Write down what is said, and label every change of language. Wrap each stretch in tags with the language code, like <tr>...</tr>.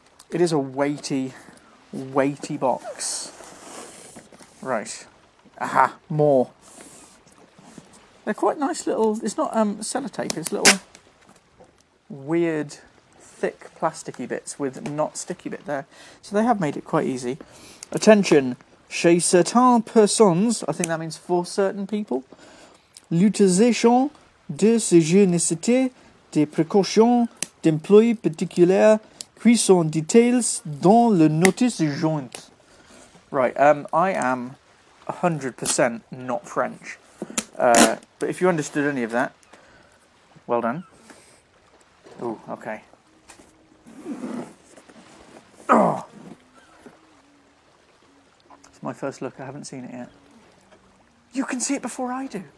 <en>It is a weighty box. Right. Aha, more. They're quite nice little, it's not sellotape, it's little weird thick plasticky bits with not sticky bit there. So they have made it quite easy.</en> <fr>Attention, chez certaines personnes,</fr> <en>I think that means for certain people,</en> <fr>l'utilisation de ce jeu nécessite des précautions d'emploi particulières qui sont details dans le notice joint.</fr> <en>Right, I am 100% not French. But if you understood any of that, well done. Ooh, okay. Oh. It's my first look, I haven't seen it yet. You can see it before I do.</en>